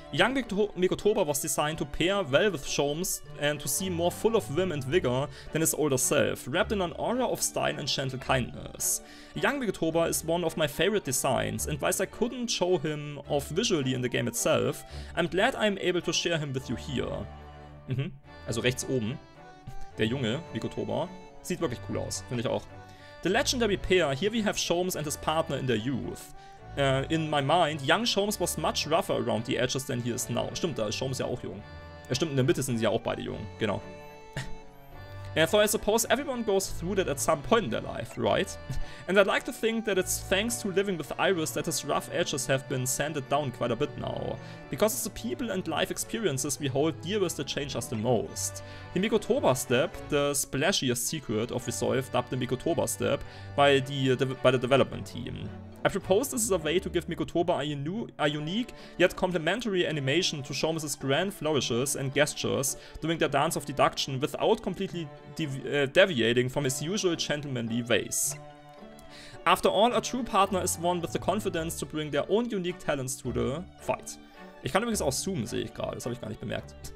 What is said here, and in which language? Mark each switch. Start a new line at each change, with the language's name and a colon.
English: Young Mikotoba was designed to pair well with Sholmes and to seem more full of vim and vigor than his older self, wrapped in an aura of style and gentle kindness. Young Mikotoba is one of my favorite designs, and whilst I couldn't show him off visually in the game itself, I'm glad I'm able to share him with you here.
German: Mhm, also rechts oben, der junge Mikotoba, sieht wirklich cool aus, finde ich auch.
English: The legendary pair, here we have Sholmes and his partner in their youth. In my mind, young Sholmes was much rougher around the edges than he is now.
German: Stimmt, da ist Sholmes ja auch jung. Ja, stimmt, in der Mitte sind sie ja auch beide jung, genau.
English: And so I suppose everyone goes through that at some point in their life, right? And I'd like to think that it's thanks to living with Iris that his rough edges have been sanded down quite a bit now. Because it's the people and life experiences we hold dearest that change us the most. The Mikotoba step, the splashiest secret of Resolve dubbed the Mikotoba step by the development team. I propose this is a way to give Mikotoba a unique yet complementary animation to show Mrs. grand flourishes and gestures during their dance of deduction without completely deviating from his usual gentlemanly ways. After all, a true partner is one with the confidence to bring their own unique talents to the fight.
German: Ich kann übrigens auch zoomen, sehe ich gerade, das habe ich gar nicht bemerkt.